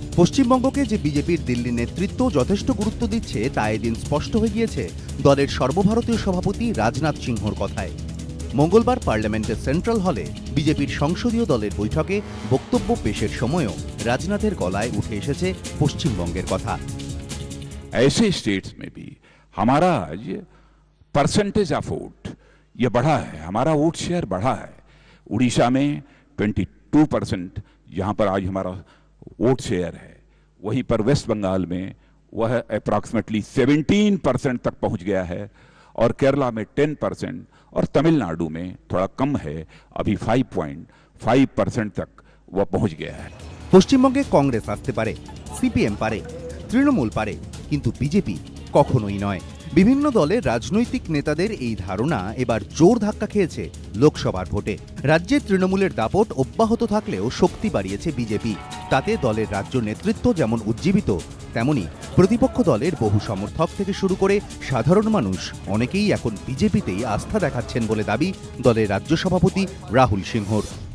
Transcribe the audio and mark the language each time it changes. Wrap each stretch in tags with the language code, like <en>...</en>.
<bn>পশ্চিমবঙ্গকে যে বিজেপির দিল্লি নেতৃত্ব যথেষ্ট গুরুত্ব দিচ্ছে তা এদিন স্পষ্ট হয়ে গিয়েছে দলের সর্বভারতীয় সভাপতি রাজনাথ সিংহর কথায়। মঙ্গলবার পার্লামেন্টের সেন্ট্রাল হলে বিজেপির সংসদীয় দলের বৈঠকে বক্তব্য পেশের সময়ও রাজনাথের গলায় উঠে এসেছে পশ্চিমবঙ্গের কথা।</bn> <hi>ऐसे स्टेट्स में भी हमारा आज परसेंटेज ऑफ वोट ये बढ़ा है, हमारा वोट शेयर बढ़ा है। उड़ीसा में 22%, यहाँ पर आज हमारा वोट शेयर है। वहीं पर वेस्ट बंगाल में वह अप्रॉक्सिमेटली 17% तक पहुँच गया है, और केरला में 10%, और तमिलनाडु में थोड़ा कम है, अभी 5.5% तक वह पहुँच गया है।</hi> <bn>পশ্চিমবঙ্গে কংগ্রেস আসতে পারে, সিপিএম পারে, তৃণমূল পারে, কিন্তু বিজেপি কখনোই নয়। বিভিন্ন দলের রাজনৈতিক নেতাদের এই ধারণা এবার জোর ধাক্কা খেয়েছে লোকসভার ভোটে। রাজ্যে তৃণমূলের দাপট অব্যাহত থাকলেও শক্তি বাড়িয়েছে বিজেপি, তাতে দলের রাজ্য নেতৃত্ব যেমন উজ্জীবিত, তেমনি প্রতিপক্ষ দলের বহু সমর্থক থেকে শুরু করে সাধারণ মানুষ অনেকেই এখন বিজেপিতেই আস্থা দেখাচ্ছেন বলে দাবি দলের রাজ্য সভাপতি রাহুল সিংহর।</bn>